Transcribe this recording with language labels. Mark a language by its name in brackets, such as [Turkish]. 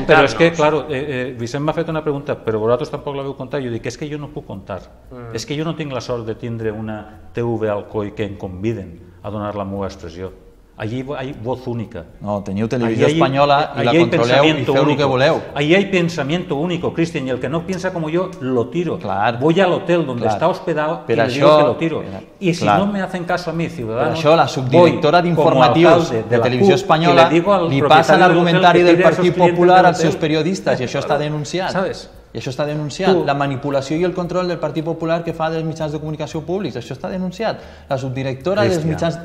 [Catalan] No, però és que, claro, Vicent m'ha fet una pregunta, però vosaltres tampoc la veu contar, jo dic, és que jo no puc contar, és que jo no tinc la sort de tindre una TV al coll que em conviden a donar la meva expressió. Allí hi ha [Spanish] voz única. [Catalan] No, teniu televisió espanyola i la controleu i feu el que voleu. Allí hi ha [Spanish] pensamiento único, [Catalan] Cristian, i el que no pensa com jo, [Spanish] lo tiro. Voy a l'hotel donde está hospedado y le digo que lo tiro. I si no me hacen caso a mi, ciudadano, voy como alcalde de la CUP. [Catalan] Això, la subdirectora d'informatius de televisió espanyola li passa l'argumentari del Partit Popular als seus periodistes i això està denunciat. Saps? I això està denunciat. La manipulació i el control del Partit Popular que fa dels mitjans de comunicació públics, això està denunciat. La subdirectora dels mitjans...